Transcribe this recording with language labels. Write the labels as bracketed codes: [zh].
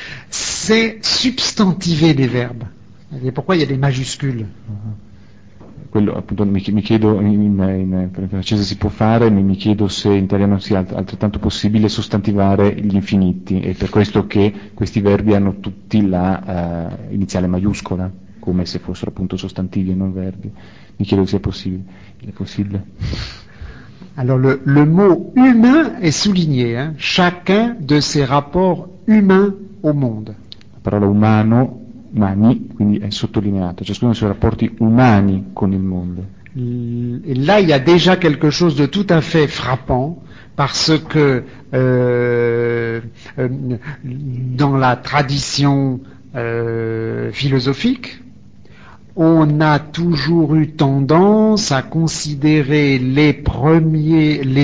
[fr] C'est substantiver des verbes. Et pourquoi il y a des majuscules? [it] Quello appunto mi chiedo in francese si può fare, mi chiedo se in italiano sia altrettanto possibile sostantivare gli infiniti, e per questo che questi verbi hanno tutti la iniziale maiuscola, come se fossero appunto sostantivi e non verbi. Mi chiedo se è possibile. [fr] Allora le mot humain è souligné, hein? Chacun de ses rapports humains au monde. [it] La parola umano. Umani, quindi è sottolineato, ciascuno dei suoi rapporti umani con il mondo. [fr] E là il y a déjà quelque chose de tout à fait frappant, parce que dans la tradition philosophique, on a toujours eu tendance à considérer les premiers.